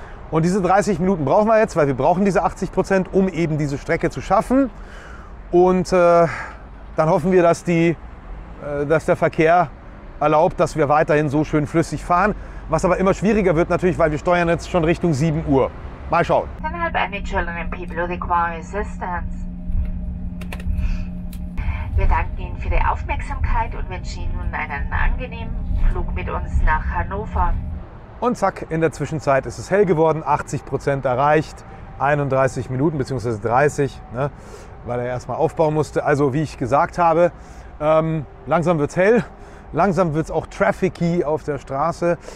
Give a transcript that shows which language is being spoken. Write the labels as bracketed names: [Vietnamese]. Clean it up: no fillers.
[German] Und diese 30 Minuten brauchen wir jetzt, weil wir brauchen diese 80%, um eben diese Strecke zu schaffen. Und dann hoffen wir, dass der Verkehr erlaubt, dass wir weiterhin so schön flüssig fahren. Was aber immer schwieriger wird natürlich, weil wir steuern jetzt schon Richtung 7 Uhr. Mal schauen. [English] Can I help any children, people who require assistance? [German] Wir danken Ihnen für die Aufmerksamkeit und wünschen Ihnen nun einen angenehmen Flug mit uns nach Hannover. Und zack, in der Zwischenzeit ist es hell geworden, 80% erreicht, 31 Minuten bzw. 30, ne, weil er erstmal aufbauen musste. Also wie ich gesagt habe, langsam wird es hell, langsam wird es auch trafficy auf der Straße.